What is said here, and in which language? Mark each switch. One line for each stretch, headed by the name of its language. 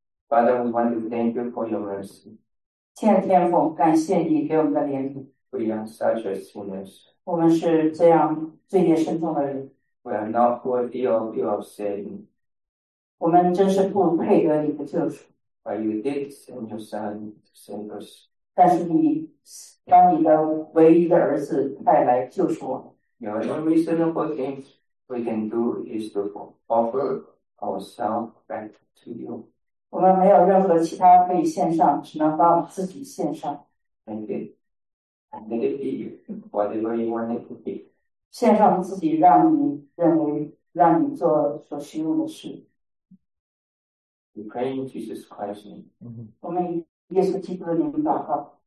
English: Father, we want to thank you for your mercy.
Chinese: 亲爱的天父，感谢你给我们的怜悯。
English: We are such as sinners.
Chinese: 我们是这样罪孽深重的人。
English: We are not worthy of your saving.
Chinese: 我们真是不配得你的救赎。
English: But you did send your son to save us.
Chinese: 但是你当你的唯一的儿子派来救赎我。
English: The only reasonable thing we can do is to offer ourselves back to you.
Chinese: 我们没有任何其他可以献上，只能把我们自己献上。
English: Thank you. And let it be whatever you want it to be.
Chinese: 献上自己，让你认为，让你做所需用的事。
English: We pray in Jesus Christ's name.
Chinese: 我们耶稣基督的名祷告。